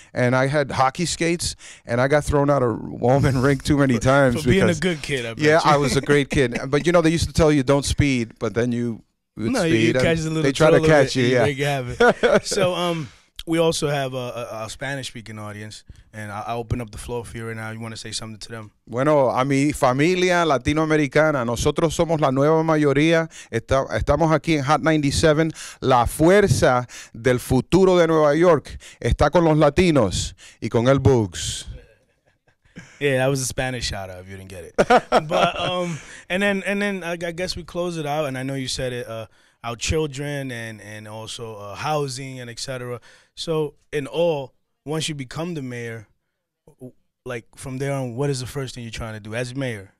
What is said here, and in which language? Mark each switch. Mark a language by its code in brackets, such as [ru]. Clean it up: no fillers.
[en] And I had hockey skates, and I got thrown out of Wallman Rink too many times. For being a good kid, I bet. Yeah, I was a great kid. But, they used to tell you don't speed, but then you would speed. No, you catch the little they try to catch you, yeah. So, we also have a Spanish-speaking audience, and I'll open up the floor for you right now. You want to say something to them? [es] Bueno, a mi familia latinoamericana, nosotros somos la nueva mayoría. Estamos aquí en Hot 97. La fuerza del futuro de Nueva York está con los latinos y con el Boogs. [en] Yeah, that was a Spanish shout-out if you didn't get it. But and then I guess we close it out, and I know you said it, our children and also housing and et cetera. So in all, once you become the mayor, like from there on, what is the first thing you're trying to do as mayor?